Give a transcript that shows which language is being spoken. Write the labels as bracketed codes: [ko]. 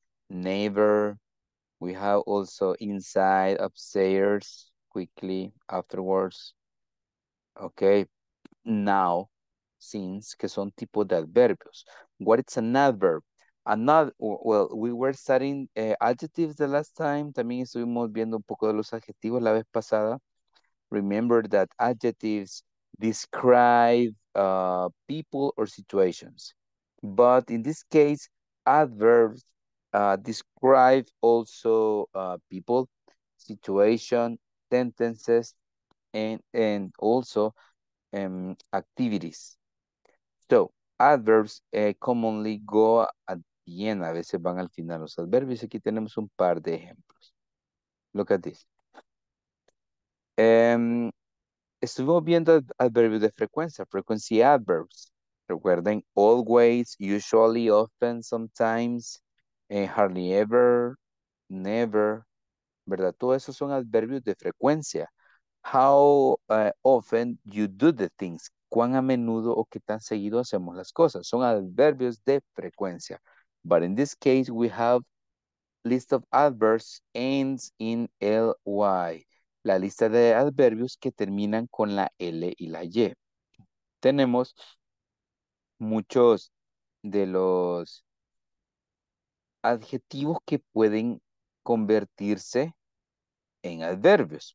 [en] Neighbor, we have also inside, upstairs, quickly, afterwards. Okay, now, since, [es] que son tipo de adverbios. [en] What is an adverb? Another, well, we were studying adjectives the last time. [es] También estuvimos viendo un poco de los adjetivos la vez pasada. [en] Remember that adjectives describe people or situations. But in this case, adverbs describe also people, situation, sentences, and also activities. So, adverbs commonly go at the end. [es] A veces van al final los adverbios. Aquí tenemos un par de ejemplos. [en] Look at this. [es] Estuvimos viendo adverbios de frecuencia, [en] frequency adverbs. [es] Recuerden, [en] always, usually, often, sometimes, hardly ever, never, [es] ¿verdad? Todos esos son adverbios de frecuencia. [en] How often you do the things. [es] ¿Cuán a menudo o qué tan seguido hacemos las cosas? Son adverbios de frecuencia. [en] But in this case, we have list of adverbs ends in ly. [es] La lista de adverbios que terminan con la L y la Y. Tenemos muchos de los adjetivos que pueden convertirse en adverbios.